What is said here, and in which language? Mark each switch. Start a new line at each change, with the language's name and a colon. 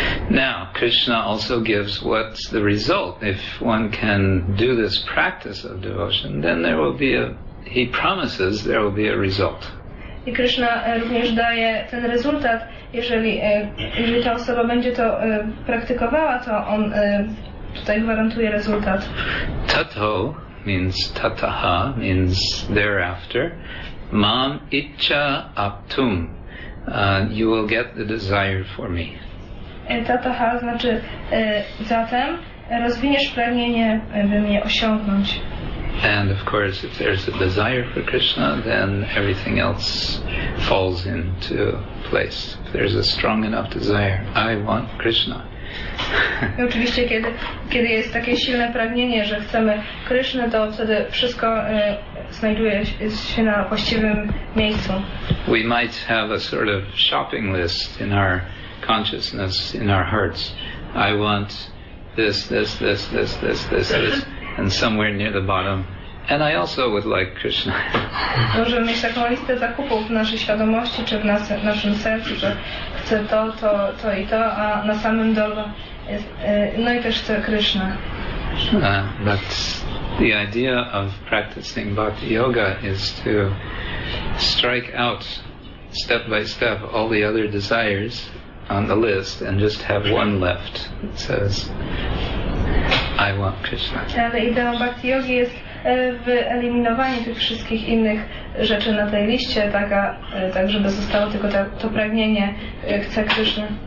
English: Now, Krishna also gives what's the result. If one can do this practice of devotion, then there will be he promises there will be a result.
Polish: I Krishna również daje ten rezultat, jeżeli ta osoba będzie to praktykowała, to on tutaj gwarantuje rezultat.
English: Tato means tataha, means thereafter.
Sanskrit: Mam icha aptum.
English: You will get the desire for me.
Polish: Tataha znaczy zatem rozwiniesz pragnienie, by mnie osiągnąć.
English: And of course, if there's a desire for Krishna, then everything else falls into place. If there's a strong enough desire, I want Krishna. Oczywiście, kiedy jest takie silne pragnienie, że chcemy Krishna, to wtedy wszystko znajduje się na właściwym miejscu. We might have a sort of shopping list in our consciousness, in our hearts. I want this, this, this, this, this, this, this. And somewhere near the bottom. And I also would like Krishna.
Polish: Możemy mieć taką listę zakupów w naszej świadomości, czy w naszym sercu, że chcę to, to, to i to, a na samym dole No i też chcę Krishna.
English: But the idea of practicing bhakti yoga is to strike out step by step all the other desires on the list and just have one left. It says, I want Krishna.
Polish: Ale idea bhakti yogi jest w eliminowaniu tych wszystkich innych rzeczy na tej liście, tak żeby zostało tylko to pragnienie, chcę Krishna.